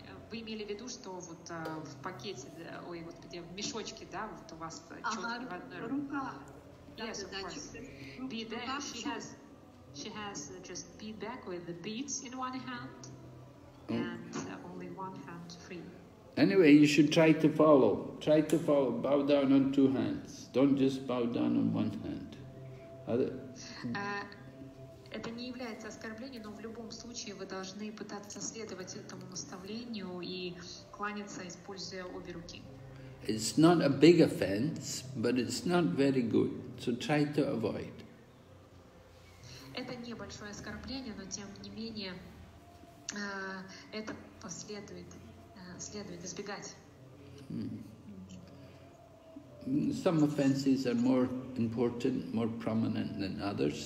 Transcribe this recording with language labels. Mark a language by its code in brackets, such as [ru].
[ru] Вы имели в виду, что вот в пакете, ой, вот где в мешочке, да, вот у вас четки в одной руке. Рука. [en] Yes, of course. Bead bag. She has just bead bag with the beads in one hand and only one hand free. Anyway, you should try to follow. Try to follow. Bow down on two hands. Don't just bow down on one hand. [ru] Это не является оскорблением, но в любом случае вы должны пытаться следовать этому наставлению и кланяться, используя обе руки. [en] It's not a big offense, but it's not very good, so try to avoid. [ru] Это небольшое оскорбление, но тем не менее это следует избегать. [en] Some offenses are more important, more prominent than others.